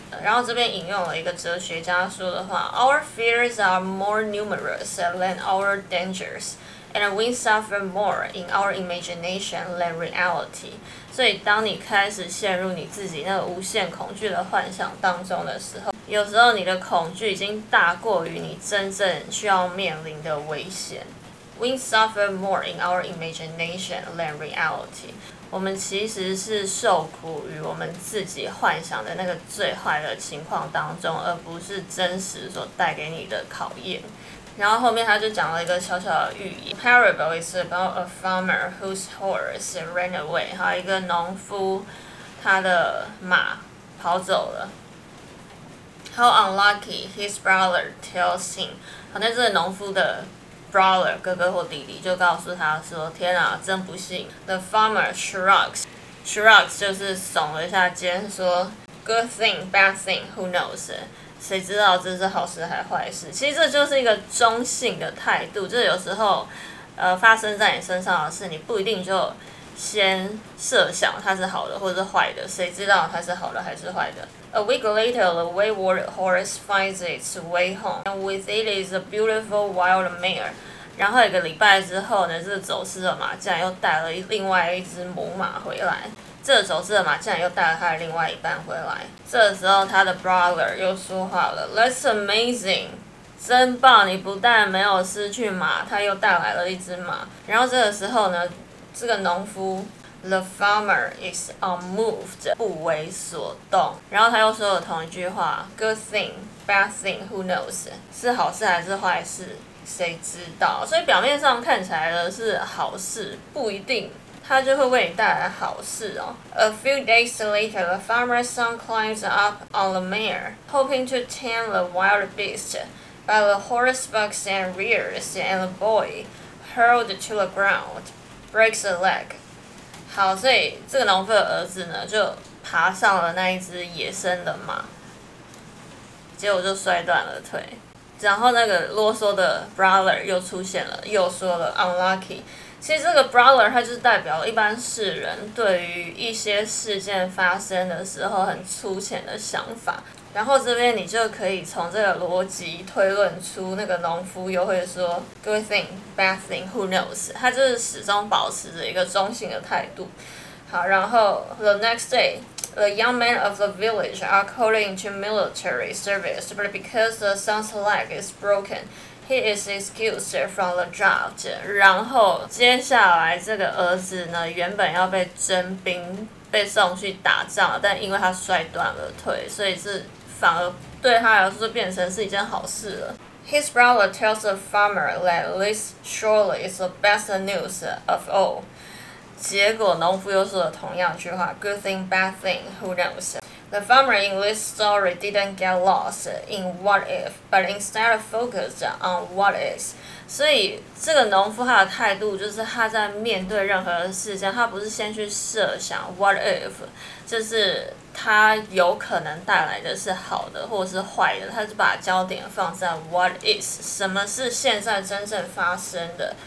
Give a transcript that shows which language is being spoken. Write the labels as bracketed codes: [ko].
[zh] 然后这边引用了一个哲学家说的话 [en] ：Our fears are more numerous than our dangers, and we suffer more in our imagination than reality. [zh] 所以，当你开始陷入你自己那个无限恐惧的幻想当中的时候，有时候你的恐惧已经大过于你真正需要面临的危险。 [en] We suffer more in our imagination than reality. [zh] 我们其实是受苦于我们自己幻想的那个最坏的情况当中，而不是真实所带给你的考验。然后后面他就讲了一个小小的寓言 [en] ，parable is about a farmer whose horse ran away. [zh] 还有一个农夫，他的马跑走了。 [en] How unlucky his brother tells him. [zh] 好，那这个农夫的brother 哥哥或弟弟就告诉他说：“天啊，真不幸。” [en] The farmer shrugs. Shrugs [zh] 就是耸了一下肩，说 [en] ：“Good thing, bad thing, who knows？ [zh] 谁知道这是好事还坏事？” 其实这就是一个中性的态度，就是有时候，发生在你身上的事，你不一定就先设想它是好的或是坏的，谁知道它是好的还是坏的。 [en] A week later, the wayward horse finds its way home, and with it is a beautiful wild mare. [zh] 然后一个礼拜之后呢，这个走失的马竟然又带了另外一只母马回来。这个走失的马竟然又带了他的另外一半回来。这个时候，他的 brother 又说话了 ： [en] “That's amazing, [zh] 真棒！你不但没有失去马，他又带来了一只马。” 然后这个时候呢，这个农夫。 [en] The farmer is unmoved, [zh] 不为所动。然后他又说了同一句话 ： [en] “Good thing, bad thing, who knows？” [zh] 是好事还是坏事，谁知道，所以表面上看起来的是好事，不一定它就会为你带来好事哦。 [en] A few days later, the farmer's son climbs up on the mare, hoping to tame the wild beast, but the horse bucks and rears, and the boy, hurled to the ground, breaks a leg. [zh] 好，所以这个农夫的儿子呢，就爬上了那一只野生的马，结果就摔断了腿。然后那个啰嗦的 brother 又出现了，又说了 unlucky。其实这个 brother 他就是代表一般世人对于一些事件发生的时候很粗浅的想法。然后这边你就可以从这个逻辑推论出，那个农夫又会说 [en] good thing, bad thing, who knows? [zh] 他就是始终保持着一个中性的态度。好，然后 [en] the next day,The young men of the village are called into military service, but because the son's leg is broken, he is excused from the draft. [zh] 然后接下来这个儿子呢，原本要被征兵，被送去打仗，但因为他摔断了腿，所以是反而对他来说变成是一件好事了。 [en] His brother tells the farmer that this surely is the best news of all. [zh] 结果农夫又说了同样句话 [en] Good thing, bad thing, who knows? The farmer in this story didn't get lost in what if, but instead focused on what is. [zh] 所以这个农夫他的态度就是他在面对任何事情，他不是先去设想 what if, 就是他有可能带来的是好的或是坏的，他就把焦点放在 what is, 什么是现在真正发生的。